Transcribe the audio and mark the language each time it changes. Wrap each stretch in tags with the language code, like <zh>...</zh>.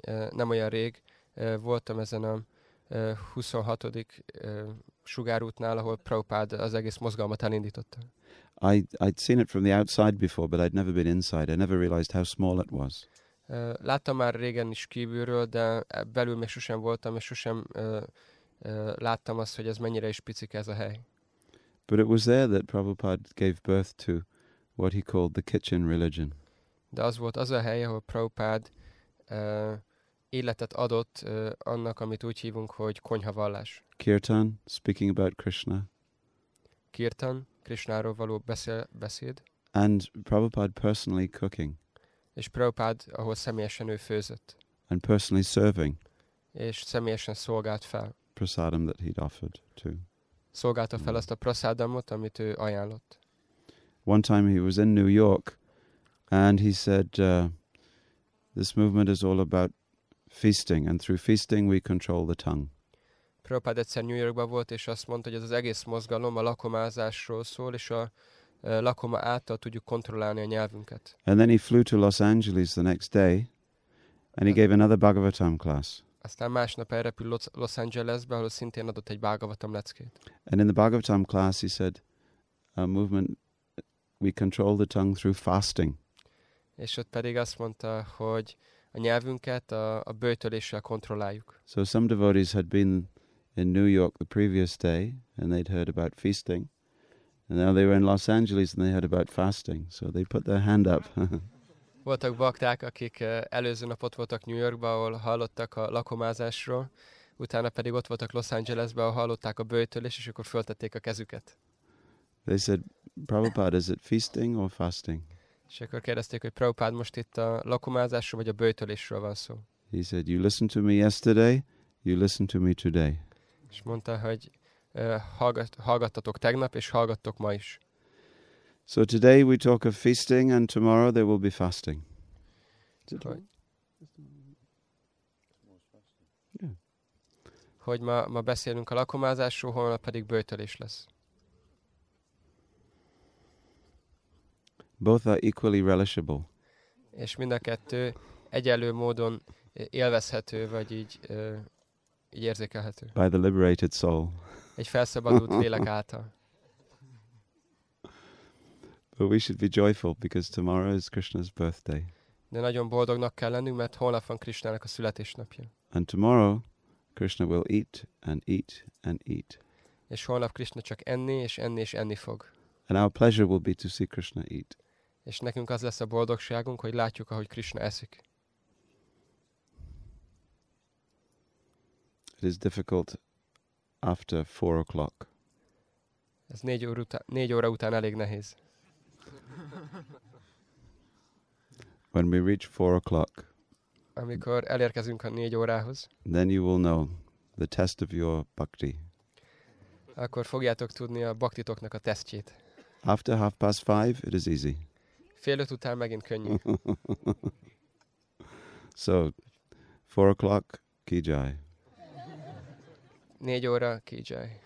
<hu>Nem olyan rég voltam ezen a 26. Sugárútnál, ahol Prabhupád az egész mozgalmat elindította.</hu> <en>I'd seen it from the outside before, but I'd never been inside. I never realized how small it was.</en> <hu>Láttam már régen is kívülről, de belül még sosem voltam, és sosem láttam azt, hogy ez mennyire is picik ez a hely.</hu> <en>But it was there that Prabhupada gave birth to what he called the kitchen religion.</en> <hu>De az volt az a hely, ahol Prabhupád életet adott annak, amit úgy hívunk, hogy konyhavallás.</hu> <en>Kirtan, speaking about Krishna.</en> <hu>Kirtan, Krishnáról való beszéd.</hu> <en>And Prabhupada personally cooking.</en> <hu>És Prabhupada, ahol személyesen ő főzött.</hu> <en>And personally serving.</en> <hu>És személyesen szolgált fel.</hu> <en>Prasadam that he'd offered to.</en> <hu>Szolgálta fel azt a prasadamot, amit ő ajánlott.</hu> <en>One time he was in New York, and he said, this movement is all about feasting, and through feasting we control the tongue.</en> <hu>Prabhupada egyszer New Yorkban volt, és azt mondta, hogy ez az egész mozgalom a lakomázásról szól, és a lakoma által tudjuk kontrollálni a nyelvünket.</hu> <en>And then he flew to Los Angeles the next day, and he gave another Bhagavatam class.</en> <hu>Aztán másnap elrepül Los Angelesbe, ahol szintén adott egy Bhagavatam leckét.</hu> <en>And in the Bhagavatam class he said, a movement, we control the tongue through fasting.</en> <hu>És ott pedig azt mondta, hogy a nyelvünket a böjtöléssel kontrolláljuk.</hu> <en>So some devotees had been in New York the previous day, and they'd heard about feasting. And now they were in Los Angeles, and they heard about fasting. So they put their hand up.</en> <hu>Voltak bakták, akik előző napot voltak New Yorkba, ahol hallottak a lakomázásról, utána pedig ott voltak Los Angelesbe, ahol hallották a böjtölés, és akkor föltették a kezüket.</hu> <en>They said, Prabhupada, is it feasting or fasting?</en> <hu>És akkor kérdezték, hogy Prabhupada, most itt a lakomázásról vagy a böjtölésről van szó.</hu> <en>He said, you listened to me yesterday, you listen to me today.</en> <hu>És mondta, hogy hallgattatok tegnap, és hallgattok ma is.</hu> <en>So today we talk of feasting, and tomorrow there will be fasting.</en> <hu>Hogy ma beszélünk a lakomázásról, holnap pedig böjtölés lesz.</hu> <en>Both are equally relishable.</en> <hu>És mind a kettő egyenlő módon élvezhető, vagy így érzékelhető.</hu> <en>By the liberated soul.</en> <hu>Egy felszabadult lélek által.</hu> <en>But we should be joyful because tomorrow is Krishna's birthday.</en> <hu>De nagyon boldognak kell lennünk, mert holnap van Krishnának a születésnapja.</hu> <en>And tomorrow Krishna will eat and eat and eat.</en> <hu>És holnap Krishna csak enni és enni és enni fog.</hu> <en>And our pleasure will be to see Krishna eat.</en> <hu>És nekünk az lesz a boldogságunk, hogy látjuk, ahogy Krishna eszik.</hu> <en>It is difficult after 4 o'clock.</en> <hu>Ez 4 óra után elég nehéz.</hu> <en>When we reach 4 o'clock,</en> <hu>amikor elérkezünk a 4 órához,</hu> <en>then you will know the test of your bhakti.</en> <hu>Akkor fogjátok tudni a bhaktitoknak a tesztjét.</hu> <en>After 5:30, it is easy.</en> <hu>Fél öt után megint könnyű.</hu> <en>So, 4 o'clock, kijai.</en> <hu>4 óra, kijai.</hu>